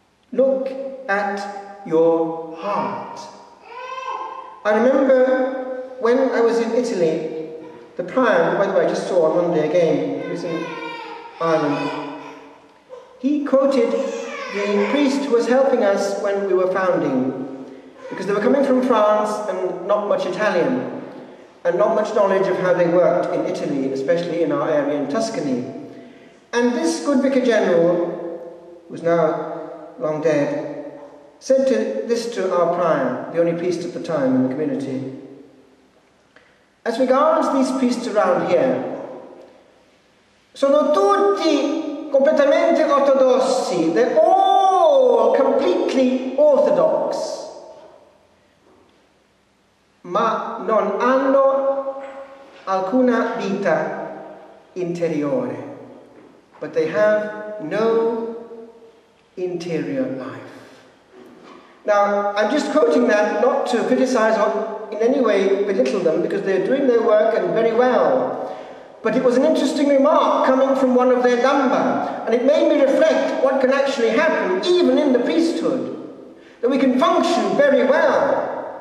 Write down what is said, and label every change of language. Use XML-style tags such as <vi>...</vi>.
<en>Look at your heart. I remember when I was in Italy, the prior, by the way, I just saw on Monday again, he was in Ireland, he quoted the priest who was helping us when we were founding, because they were coming from France and not much Italian. And not much knowledge of how they worked in Italy, especially in our area in Tuscany. And this good vicar general, who's now long dead, said to this to our prior, the only priest at the time in the community. As regards these priests around here,</en> <it>sono tutti completamente ortodossi.</it> <en>They're all completely orthodox.</en> <it>Ma non hanno alcuna vita interiore.</it> <en>But they have no interior life. Now, I'm just quoting that not to criticize or in any way belittle them, because they're doing their work and very well. But it was an interesting remark coming from one of their number, and it made me reflect what can actually happen even in the priesthood, that we can function very well.</en>